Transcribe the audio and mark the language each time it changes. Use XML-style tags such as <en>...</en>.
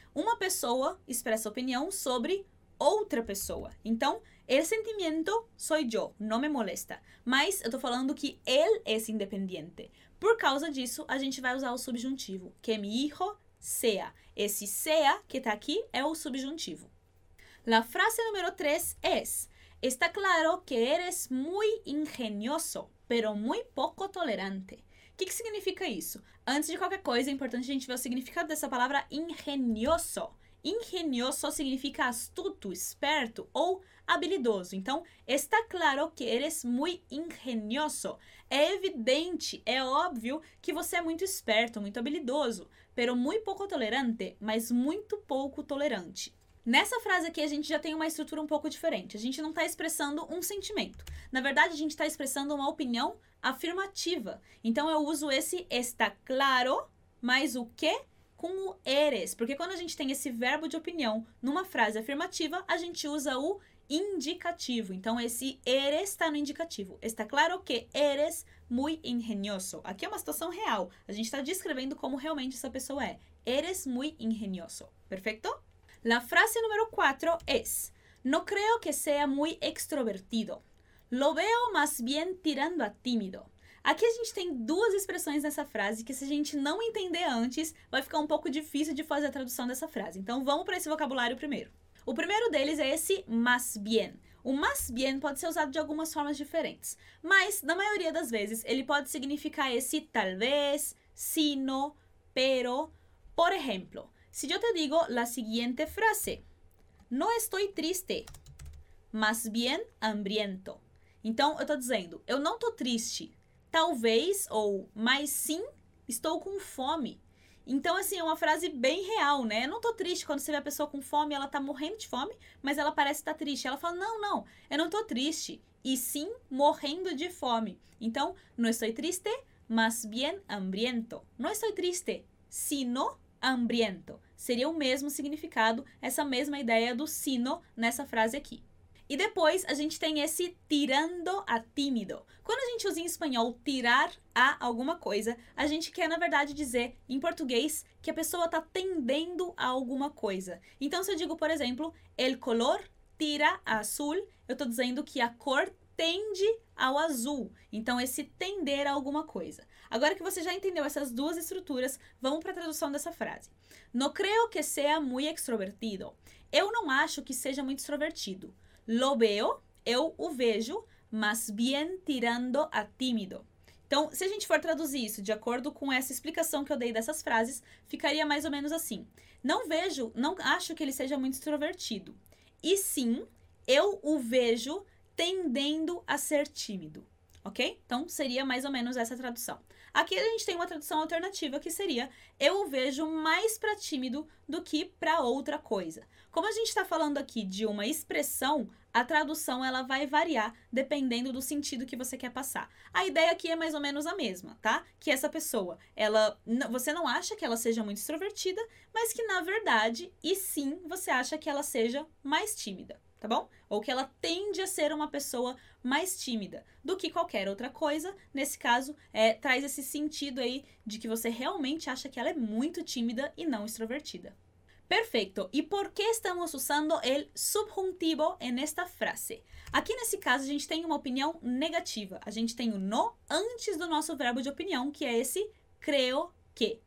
<pt>Uma pessoa expressa opinião sobre outra pessoa. Então,</pt> <es>el sentimiento soy yo. No me molesta.</es> <pt>Mas eu estou falando que</pt> <es>él es independiente.</es> <pt>Por causa disso, a gente vai usar o subjuntivo.</pt> <es>Que mi hijo sea.</es> <pt>Esse sea que está aqui é o subjuntivo.</pt> <es>La frase número 3 es: está claro que eres muy ingenioso, pero muy poco tolerante.</es> <pt>O que significa isso? Antes de qualquer coisa, é importante a gente ver o significado dessa palavra ingenioso. Ingenioso significa astuto, esperto ou habilidoso.</pt> <es>Então, está claro que eres muy ingenioso.</es> <pt>É evidente, é óbvio que você é muito esperto, muito habilidoso.</pt> <es>Pero muy poco tolerante,</es> <pt>mas muito pouco tolerante. Nessa frase aqui, a gente já tem uma estrutura um pouco diferente. A gente não está expressando um sentimento. Na verdade, a gente está expressando uma opinião afirmativa. Então, eu uso esse está claro, mas o que com o eres. Porque quando a gente tem esse verbo de opinião numa frase afirmativa, a gente usa o indicativo. Então, esse eres está no indicativo.</pt> <es>Está claro que eres muy ingenioso.</es> <pt>Aqui é uma situação real. A gente está descrevendo como realmente essa pessoa é.</pt> <es>Eres muy ingenioso.</es> <pt>Perfeito?</pt> <es>La frase número 4 es: no creo que sea muy extrovertido. Lo veo más bien tirando a tímido.</es> <pt>Aqui a gente tem duas expressões nessa frase que, se a gente não entender antes, vai ficar um pouco difícil de fazer a tradução dessa frase. Então vamos para esse vocabulário primeiro. O primeiro deles é esse más bien. O más bien pode ser usado de algumas formas diferentes, mas na maioria das vezes ele pode significar esse talvez, sino, pero.</pt> <es>Por exemplo, si yo te digo la siguiente frase: no estoy triste, más bien hambriento.</es> <pt>Então, eu estou dizendo, eu não estou triste, talvez, ou mas sim, estou com fome. Então, assim, é uma frase bem real, né? Eu não estou triste. Quando você vê a pessoa com fome, ela está morrendo de fome, mas ela parece estar triste. Ela fala, não, eu não estou triste, e sim, morrendo de fome.</pt> <es>Então, no estoy triste, más bien hambriento. No estoy triste, sino hambriento.</es> <pt>Seria o mesmo significado, essa mesma ideia do sino nessa frase aqui. E depois a gente tem esse tirando a tímido. Quando a gente usa em espanhol tirar a alguma coisa, a gente quer, na verdade, dizer em português que a pessoa está tendendo a alguma coisa. Então, se eu digo, por exemplo,</pt> <es>el color tira a azul,</es> <pt>eu estou dizendo que a cor tende ao azul. Então, esse tender a alguma coisa. Agora que você já entendeu essas duas estruturas, vamos para a tradução dessa frase.</pt> <es>No creo que sea muy extrovertido.</es> <pt>Eu não acho que seja muito extrovertido.</pt> <es>Lo veo,</es> <pt>eu o vejo,</pt> <es>más bien tirando a tímido.</es> <pt>Então, se a gente for traduzir isso de acordo com essa explicação que eu dei dessas frases, ficaria mais ou menos assim. Não vejo, não acho que ele seja muito extrovertido. E sim, eu o vejo tendendo a ser tímido. Ok? Então, seria mais ou menos essa tradução. Aqui a gente tem uma tradução alternativa que seria: eu o vejo mais para tímido do que para outra coisa. Como a gente está falando aqui de uma expressão, a tradução ela vai variar dependendo do sentido que você quer passar. A ideia aqui é mais ou menos a mesma, tá? Que essa pessoa, ela, você não acha que ela seja muito extrovertida, mas que na verdade, e sim, você acha que ela seja mais tímida, tá bom? Ou que ela tende a ser uma pessoa mais tímida do que qualquer outra coisa. Nesse caso, traz esse sentido aí de que você realmente acha que ela é muito tímida e não extrovertida. Perfeito.</pt> <es>E por que estamos usando el subjuntivo en esta frase?</es> <pt>Aqui nesse caso, a gente tem uma opinião negativa. A gente tem o no antes do nosso verbo de opinião, que é esse creo que.</pt>